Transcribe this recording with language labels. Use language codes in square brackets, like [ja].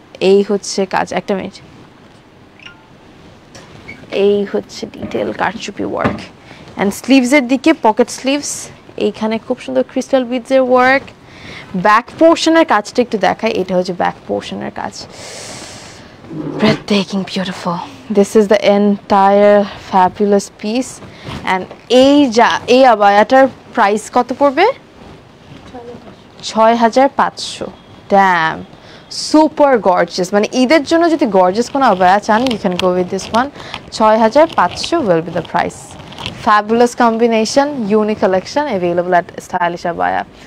[bn] এই হচ্ছে কাজ, একটা মিনিট, এই হচ্ছে ডিটেইল কারচুপি ওয়ার্ক। অ্যান্ড স্লিভসের দিকে পকেট স্লিভস, এইখানে খুব সুন্দর ক্রিস্টাল বিডসের ওয়ার্ক। ব্যাক পোর্শনের কাজটা একটু দেখাই, এটা হচ্ছে ব্যাক পোর্শনের কাজ, ব্রেথটেকিং, beautiful. [en] This is the entire fabulous piece. [bn] And এই আবায়াটার প্রাইস কত পড়বে? [en] 6,500। Damn, super gorgeous. [bn] মানে ঈদের জন্য যদি গর্জিয়াস কোনো আবায়া চান, [en] You can go with this one. 6,500 will be the price. Fabulous combination, unique collection, available at stylish আবায়া।